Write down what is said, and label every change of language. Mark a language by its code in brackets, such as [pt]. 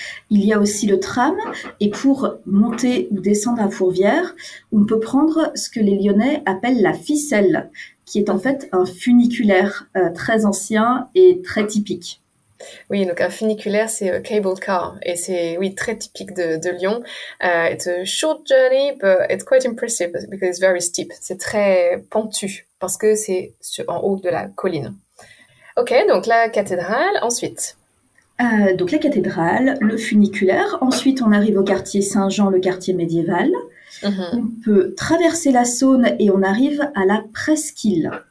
[fr] Il y a aussi le tram, et pour monter ou descendre à Fourvière, on peut prendre ce que les Lyonnais appellent la ficelle, qui est en fait un funiculaire très ancien et très typique. Oui, donc un funiculaire, c'est un cable car, et c'est oui, très typique de Lyon. [en] It's a short journey, but it's quite impressive because it's very steep. [fr] C'est très pentu, parce que c'est en haut de la colline. Ok, donc la cathédrale, ensuite. Donc la cathédrale, le funiculaire, ensuite on arrive au quartier Saint-Jean, le quartier médiéval. On peut traverser la Saône et on arrive à la Presqu'île.